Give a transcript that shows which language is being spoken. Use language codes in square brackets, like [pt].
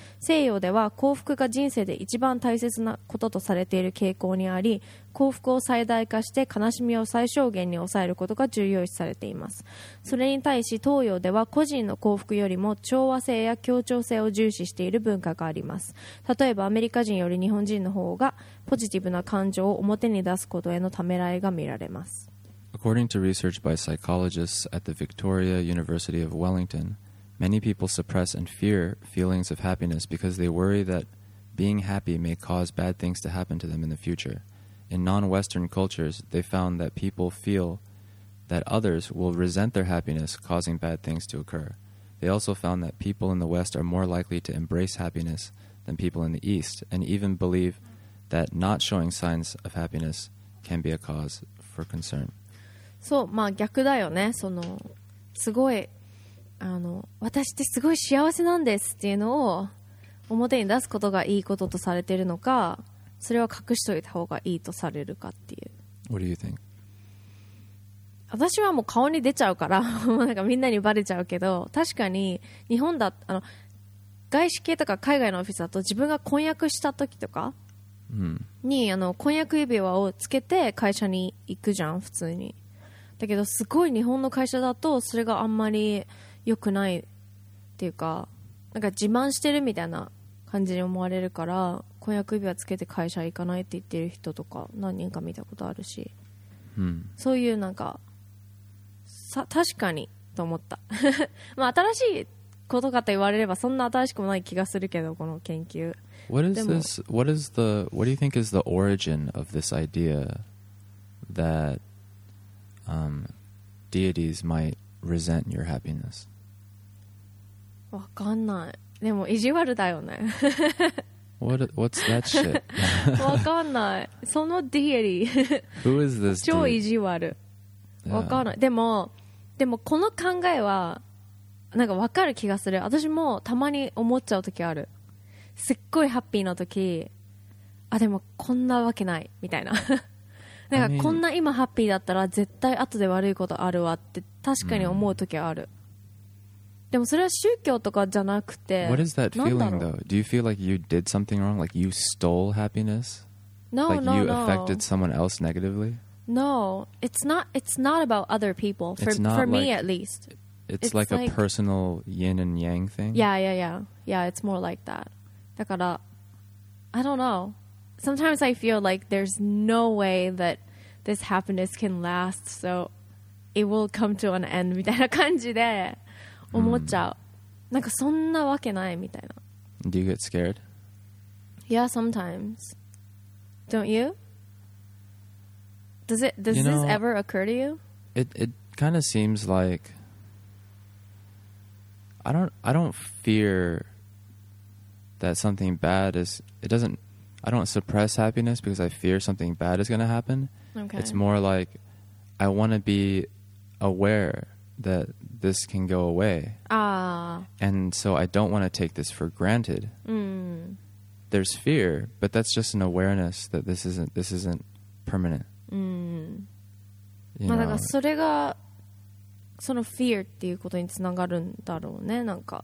[ja] 西洋では幸福が人生で一番大切なこととされている傾向にあり、幸福を最大化して悲しみを最小限に抑えることが重要視されています。それに対し東洋では個人の幸福よりも調和性や協調性を重視している文化があります。例えばアメリカ人より日本人の方がポジティブな感情を表に出すことへのためらいが見られます。 [en] According to research by psychologists at the Victoria University of WellingtonMany people suppress and fear feelings of happiness because they worry that being happy may cause bad things to happen to them in the future. In non-Western cultures, they found that people feel that others will resent their happiness, causing bad things to occur. They also found that people in the West are more likely to embrace happiness than people in the East, and even believe that not showing signs of happiness can be a cause for concern. [ja] そう、まあ逆だよね。そのすごい、あの、私ってすごい幸せなんですっていうのを表に出すことがいいこととされてるのか、それは隠しといた方がいいとされるかっていう。 [en] What do you think? [ja] 私はもう顔に出ちゃうからなんかみんなにバレちゃうけど、確かに日本だ、あの外資系とか海外のオフィスだと自分が婚約した時とかに、あの婚約指輪をつけて会社に行くじゃん普通に。だけどすごい日本の会社だとそれがあんまり良くないっていうか、なんか自慢してるみたいな感じに思われるから、婚約指輪つけて会社行かないって言ってる人とか何人か見たことあるし、うん、そういうなんかさ、確かにと思ったまあ新しいことかと言われればそんな新しくもない気がするけど、この研究。 [en] What do you think is the origin of this idea that、deities mightresent your happiness? [ja] わかんない。でも意地悪だよね。 [en] What's that shit? [ja] わかんない。その deity。 [en] Who is this? [ja] 超意地悪。わかんない。でもこの考えはなんかわかる気がする。私もたまに思っちゃうときある。すっごいハッピーなとき、あ、でもこんなわけないみたいな。なんかこんな今ハッピーだったら絶対後で悪いことあるわって確かに思うときある、うん、でもそれは宗教とかじゃなくて。 [en] What is that feeling though? Do you feel like you did something wrong? Like you stole happiness? No, like no, you affected someone else negatively? No, it's not about other people. For me at least. It's like a personal yin and yang thing? Yeah, yeah, yeah. Yeah, it's more like that. [ja] だから [en] I don't knowSometimes I feel like there's no way that this happiness can last, so it will come to an end [ja] みたいな感じで思っちゃう。なんかそんなわけないみたいな。 [en] Do you get scared? Yeah, sometimes. Don't you? Does this ever occur to you? It kind of seems like I don't fear that something bad is. I don't suppress happiness because I fear something bad is going to happen. Okay. It's more like I want to be aware that this can go away. Ah. And so I don't want to take this for granted. There's fear, but that's just an awareness that this isn't permanent. [ja] まあだからそれがその fear っていうことにつながるんだろうね、なんか。